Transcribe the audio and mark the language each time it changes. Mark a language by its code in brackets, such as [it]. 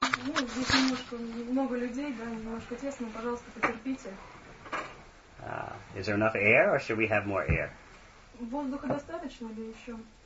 [ru] немножко, много людей, да, немножко тесно, пожалуйста, потерпите. [en] Is there enough air, or should we have more air? [ru] Воздуха достаточно или еще?